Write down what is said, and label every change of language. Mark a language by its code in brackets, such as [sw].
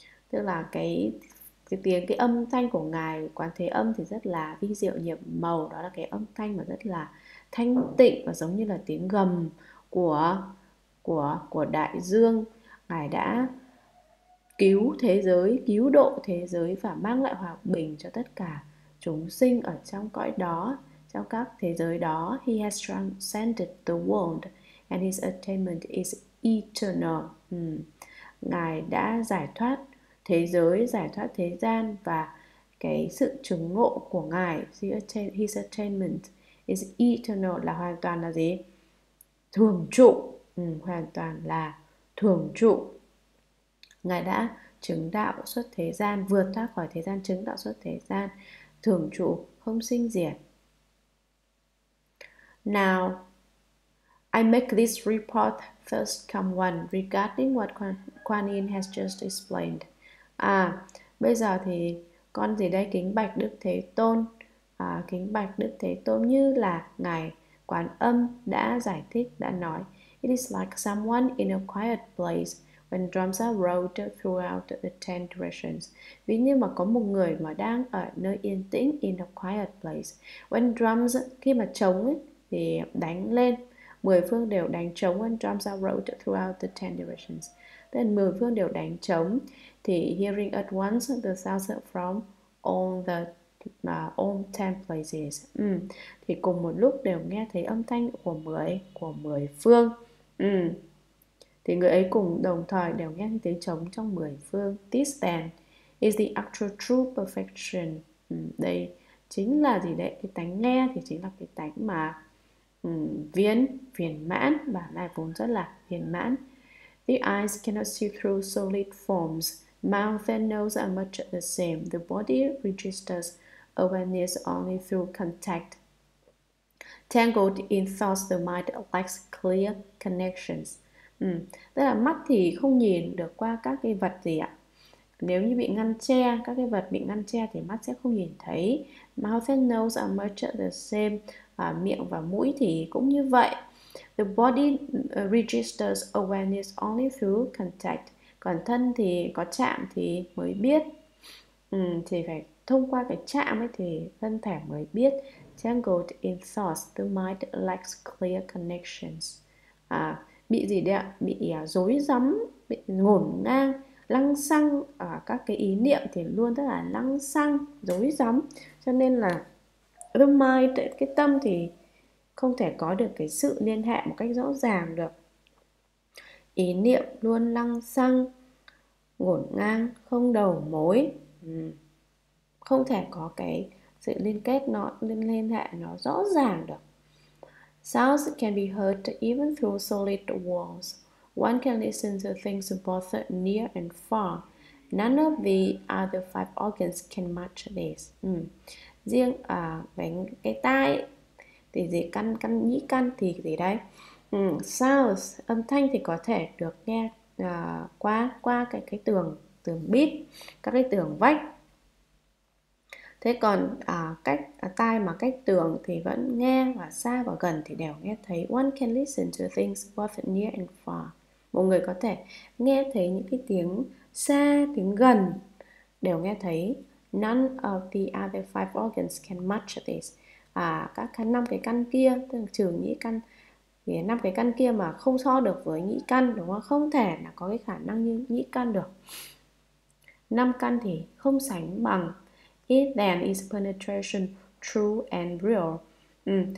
[vi] Tức là cái tiếng, cái âm thanh của Ngài Quán Thế Âm thì rất là vi diệu nhiệm màu, đó là cái âm thanh mà rất là thanh tịnh và giống như là tiếng gầm của đại dương. Ngài đã cứu thế giới, cứu độ thế giới và mang lại hòa bình cho tất cả chúng sinh ở trong cõi đó, trong các thế giới đó. [en] He has transcended the world and his attainment is eternal. [vi] Ngài đã giải thoát thế giới, giải thoát thế gian, và cái sự chứng ngộ của Ngài, [en] his attainment is eternal, [vi] là hoàn toàn là gì? Thường trụ. Hoàn toàn là thường trụ. Ngài đã chứng đạo xuất thế gian, vượt thoát khỏi thế gian, chứng đạo xuất thế gian, thường trụ, không sinh diệt. [en] Now, I make this report first come one regarding what Quan Yin has just explained. [vi] Bây giờ thì con gì đây, kính bạch Đức Thế Tôn, kính bạch Đức Thế Tôn, như là Ngài Quán Âm đã giải thích, đã nói. [en] It is like someone in a quiet place when drums are rolled throughout the 10 directions. [vi] Ví như mà có một người mà đang ở nơi yên tĩnh, [en] in a quiet place. When drums, [vi] khi mà trống ấy, thì đánh lên, 10 phương đều đánh trống. [en] When drums are rolled throughout the 10 directions, then [vi] 10 phương đều đánh trống, thì [en] hearing at once the sounds from all 10 places. [vi] Thì cùng một lúc đều nghe thấy âm thanh của 10, của 10 phương. Thì người ấy cùng đồng thời đều nghe thấy tiếng trống trong 10 phương. [en] This then is the actual true perfection. [vi] Đây chính là gì đấy? Cái tánh nghe thì chính là cái tánh mà viên mãn, bản này vốn rất là viên mãn. [en] The eyes cannot see through solid forms. Mouth and nose are much the same. The body registers awareness only through contact. Tangled in thoughts, the mind lacks clear connections. [vi] Tức là mắt thì không nhìn được qua các cái vật gì ạ? Nếu như bị ngăn che, các cái vật bị ngăn che thì mắt sẽ không nhìn thấy. [en] Mouth and nose are much the same. [vi] Miệng và mũi thì cũng như vậy. [en] The body registers awareness only through contact. [vi] Còn thân thì có chạm thì mới biết. Thì phải thông qua cái chạm ấy thì thân thể mới biết. [en] Tangled in thoughts, the mind lacks clear connections. [vi] Bị gì đấy ạ? Bị rối rắm, bị ngổn ngang, lăng xăng ở các cái ý niệm thì luôn rất là lăng xăng, rối rắm. Cho nên là [en] the mind, [vi] cái tâm thì không thể có được cái sự liên hệ một cách rõ ràng được. Ý niệm luôn lăng xăng, ngổn ngang, không đầu mối. Không thể có cái sự liên kết, nó liên hệ nó rõ ràng được. [en] Sounds can be heard even through solid walls. One can listen to things both near and far. None of the other five organs can match this. [vi] Riêng cái tai thì gì, căn căn nhĩ căn thì gì đấy. Sounds, âm thanh thì có thể được nghe qua qua cái tường tường bít, các cái tường vách. Thế còn tai mà cách tường thì vẫn nghe, và xa và gần thì đều nghe thấy. [en] One can listen to things both near and far. [vi] Một người có thể nghe thấy những cái tiếng xa, tiếng gần đều nghe thấy. [en] None of the other five organs can match this. [vi] Các năm cái căn kia, tức là trừ nhĩ căn, thì năm cái căn kia mà không so được với nhĩ căn, đúng không? Không thể là có cái khả năng như nhĩ căn được. Năm căn thì không sánh bằng. [en] It then is penetration true and real.